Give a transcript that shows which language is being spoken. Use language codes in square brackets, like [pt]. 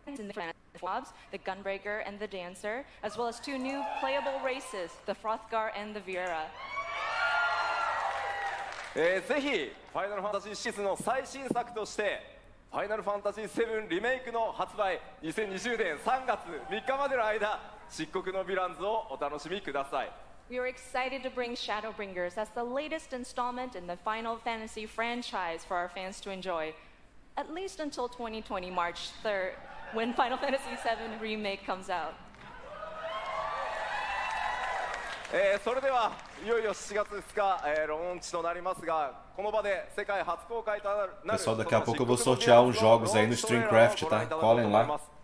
[en] The Gunbreaker and the Dancer, as well as two new playable races, the Frothgar and the Viera. [ja] ぜひ、ファイナルファンタジーシリーズの最新作として、ファイナルファンタジー7リメイクの発売、2020年3月3日までの間、漆黒のヴィランズをお楽しみください。 [en] We are excited to bring Shadowbringers as the latest installment in the Final Fantasy franchise for our fans to enjoy. At least until 2020, March 3rd, when Final Fantasy VII Remake comes out. [ja] それでは、いよいよ7月2日、ローンチとなりますが、この場で世界初公開となる。 [pt] Pessoal, daqui a pouco eu vou sortear uns jogos aí no StreamCraft, tá? Colhem lá.